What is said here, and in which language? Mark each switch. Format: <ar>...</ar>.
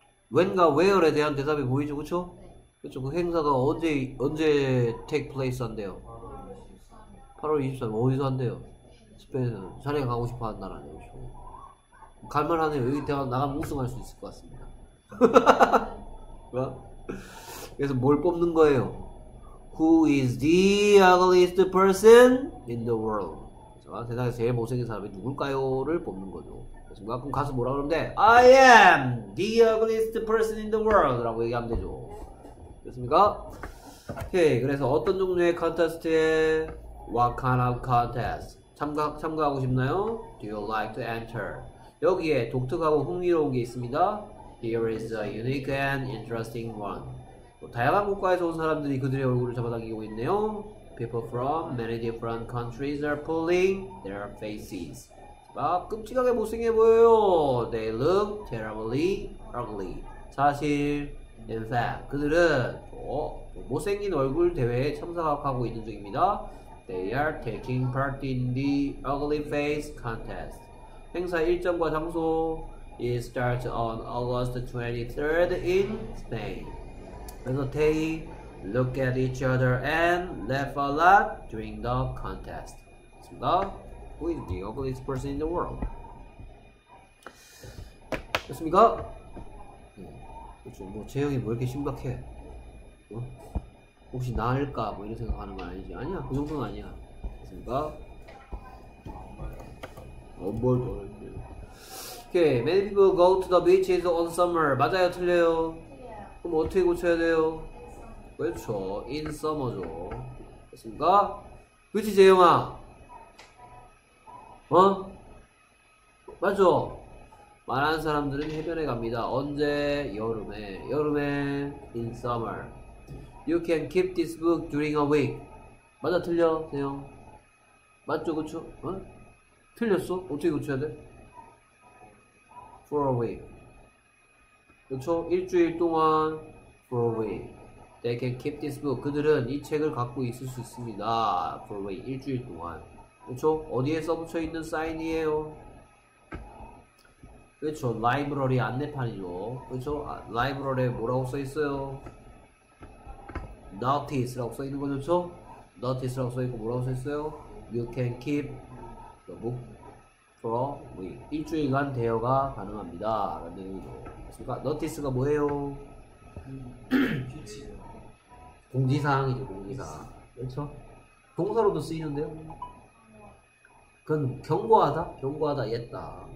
<ko>when과 where에 대한 대답이 보이죠? 그쵸? 그쵸? 그 행사가 언제</ko> <en>take place</en> <ko>한대요? 8월 23일 어디서 한대요? 스페인에서 자네가 가고 싶어 하는 나라네요. 그쵸? 갈만하네요. 여기 대학 나가면 우승할 수 있을 것 같습니다. 그래서 뭘 뽑는 거예요?</ko> <en>who is the ugliest person in the world?</en> <ko>세상에 제일 못생긴 사람이 누굴까요?를 뽑는 거죠. 그렇습니까? 그럼 가서 뭐라 그러는데</ko> <en>I am the ugliest person in the world</en> <ko>라고 얘기하면 되죠. 그렇습니까? 오케이. 그래서 어떤 종류의 컨테스트에</ko> <en>What kind of contest?</en> <ko>참가하고 싶나요?</ko> <en>Do you like to enter?</en> <ko>여기에 독특하고 흥미로운 게 있습니다.</ko> <en>Here is a unique and interesting one.</en> <ko>또 다양한 국가에서 온 사람들이 그들의 얼굴을 잡아당기고 있네요.</ko> <en>People from many different countries are pulling their faces.</en> <ko>아, 끔찍하게 못생겨 보여요.</ko> <en>They look terribly ugly.</en> <ko>사실,</ko> <en>in fact,</en> <ko>그들은 못생긴 얼굴 대회에 참석하고 있는 중입니다.</ko> <en>They are taking part in the ugly face contest.</en> <ko>행사 일정과 장소</ko> <en>It starts on August 23rd in Spain.</en> <ko>그래서</ko> <en>they look at each other and laugh a lot during the contest.</en> <ko>됐습니다.</ko> <en>Who is the ugliest person in the world?</en> <ko>됐습니까? 그렇죠. 뭐 재형이 왜 이렇게 심각해? 어? 혹시 나을까? 뭐 이런 생각하는 건 아니지? 아니야. 그 정도는 아니야. 됐습니까? 엄마야. 엄마야. 오케이.</ko> <en>Many people go to the beaches on summer.</en> <ko>맞아요? 틀려요? 그럼 어떻게 고쳐야 돼요? 그렇죠.</ko> <en>In summer</en> <ko>죠. 됐습니까? 그치 재영아? 어? 맞죠? 많은 사람들은 해변에 갑니다. 언제? 여름에. 여름에.</ko> <en>In summer. You can keep this book during a week.</en> <ko>맞아 틀려 재영? 맞죠 그쵸? 어? 틀렸어? 어떻게 고쳐야 돼?</ko> <en>For a week.</en> <ko>그쵸? 일주일 동안</ko> <en>For a week. They can keep this book.</en> <ko>그들은 이 책을 갖고 있을 수 있습니다.</ko> <en>For a week.</en> <ko>일주일 동안. 그렇죠? 어디에 써붙여 있는 사인이에요? 그렇죠? 라이브러리 안내판이죠. 그렇죠? 아, 라이브러리에 뭐라고 써있어요? Notice라고 써있는 거죠. 그렇죠? Notice라고 써있고 뭐라고 써있어요?</ko> <en>You can keep the book for a week.</en> <ko>일주일간 대여가 가능합니다. 라는 얘기죠. 그러니까 Notice가 뭐예요? 공지사항이죠. 공지사항. 그렇죠? 동사로도 쓰이는데요. 그건 견고하다? 견고하다 했다.</ko>